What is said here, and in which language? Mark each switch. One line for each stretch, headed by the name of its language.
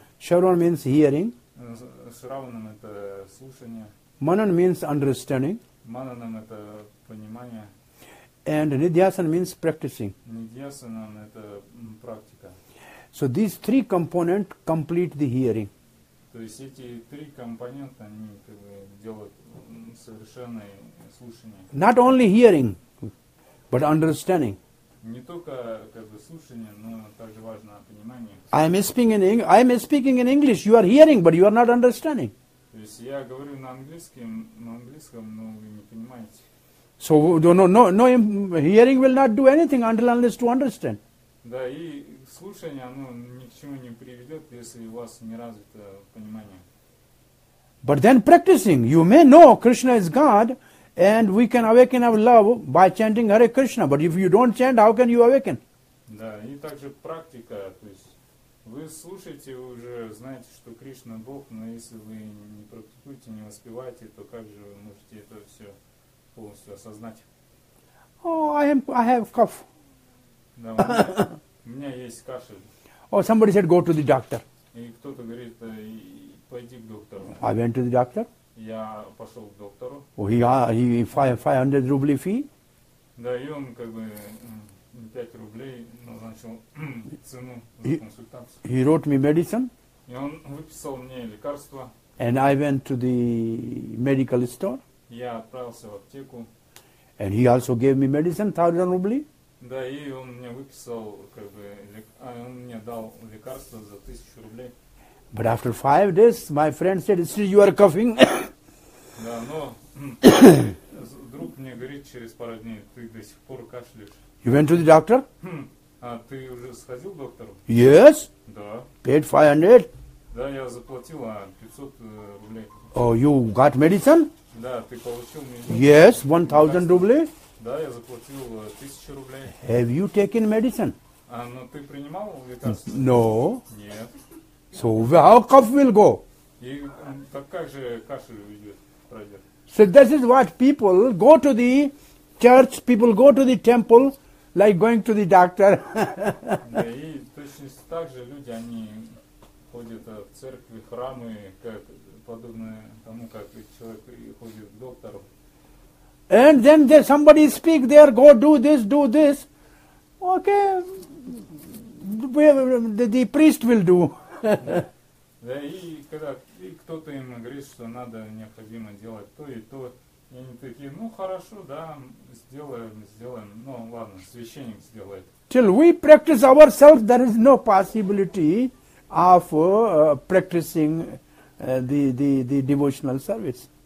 English: Шарван means hearing.
Russian: Шраванам это слушание.
English: Manan means understanding.
Russian: Mananam это понимание.
English: And Nidhyasana means practicing.
Russian: Nidhyasanam это практика.
English: So these three components complete the hearing.
Russian: То есть эти три компонента, они делают совершенное слушание.
English: Not only hearing, but understanding.
Russian: Не только слушание, но также важно понимание.
English: I am speaking in English. You are hearing, but you are not understanding.
Russian: То есть я говорю на английском, но вы не понимаете.
English: So no, hearing will not do anything unless to understand.
Russian: Да, и слушание, оно ни к чему не приведет, если у вас не развито понимание.
English: But then practicing, you may know Krishna is God, and we can awaken our love by chanting Hare Krishna. But if you don't chant, how can you awaken?
Russian: Да, и также практика, то есть. Вы слушаете, вы уже знаете, что Кришна Бог, но если вы не практикуете, не воспеваете, то как же вы можете это все полностью осознать?
English: I have cough.
Russian: Да, у меня есть кашель.
English: Oh, somebody said, go to the doctor.
Russian: И кто-то говорит, пойди к доктору.
English: I went to the doctor.
Russian: Я пошел к доктору.
English: Oh, he 500 рублей fee?
Russian: Да, и он 5 рублей назначил цену за консультацию.
English: He wrote me medicine.
Russian: И он выписал мне лекарства.
English: And I went to the medical store.
Russian: Я отправился в аптеку.
English: And he also gave me medicine, 1000 рублей.
Russian: Да, и он мне выписал, он мне дал лекарства за 1000 рублей.
English: But after 5 days, my friend said, still you are coughing.
Russian: Да, но друг мне говорит через пару дней, ты до сих пор кашляешь.
English: You went to the doctor?
Russian: Ты уже сходил к доктору?
English: Yes.
Russian: Да.
English: Paid 500?
Russian: Да, я заплатил 500 рублей.
English: Oh, you got medicine?
Russian: Да, ты получил медицину.
English: Yes, 1000 рублей?
Russian: Да, я заплатил 1000 рублей.
English: Have you taken medicine?
Russian: Но ты принимал лекарства?
English: No.
Russian: Нет.
English: So, how cough will go?
Russian: И так как же кашель пройдет?
English: So, this is what people go to the church, people go to the temple like going to the doctor.
Russian: Точно так же люди, они ходит в церкви, храмы, как подобное тому, как человек ходит к доктору.
English: And then there somebody speak there, go do this, do this. Okay, the priest will do.
Russian: Да, и когда кто-то им говорит, что надо, необходимо делать то и то, и они такие, ну хорошо, да, сделаем, ну ладно, священник сделает.
English: Till we practice ourselves, there is no possibility of practicing the devotional service.